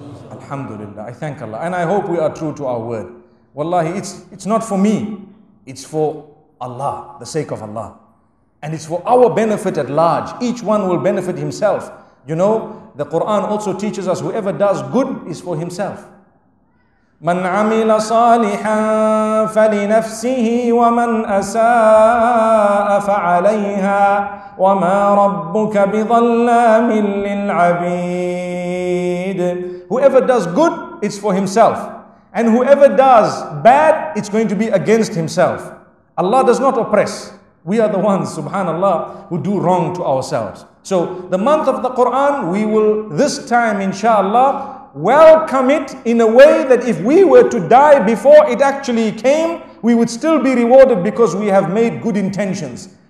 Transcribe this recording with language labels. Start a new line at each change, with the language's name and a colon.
English: Alhamdulillah, I thank Allah. And I hope we are true to our word. Wallahi, it's not for me. It's for Allah, the sake of Allah. And it's for our benefit at large. Each one will benefit himself. You know, the Quran also teaches us whoever does good is for himself.
Arabic: مَنْ عَمِلَ صَالِحًا فَلِنَفْسِهِ وَمَنْ أَسَاءَ فَعَلَيْهَا وَمَا رَبُّكَ بِظَلَّامٍ لِلْعَبِيدِ
English: Whoever does good, it's for himself. And whoever does bad, it's going to be against himself. Allah does not oppress. We are the ones, subhanAllah, who do wrong to ourselves. So the month of the Quran, we will this time, inshallah, welcome it in a way that if we were to die before it actually came, we would still be rewarded because we have made good intentions.